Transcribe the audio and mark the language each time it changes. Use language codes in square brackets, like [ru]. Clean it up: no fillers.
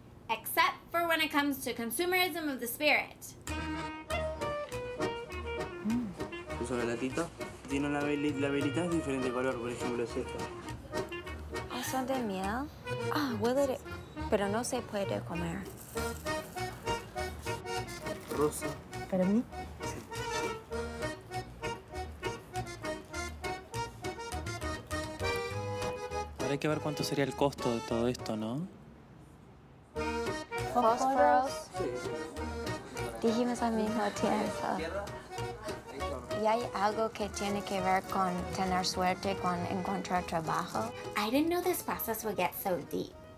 [en] Except for when it comes to consumerism of the spirit. [es] ¿Usa la latita? Tiene una velita de diferente color, por ejemplo, es esta. ¿Son de miel? Ah, huele de... Pero no se puede comer. Rosa. ¿Para mí? Hay que ver cuánto sería el costo de todo esto, ¿no? Fósforos. Sí. Dijimos al mismo tiempo. ¿Y hay algo que tiene que ver con tener suerte con encontrar trabajo? [en] I didn't know this process would get so deep.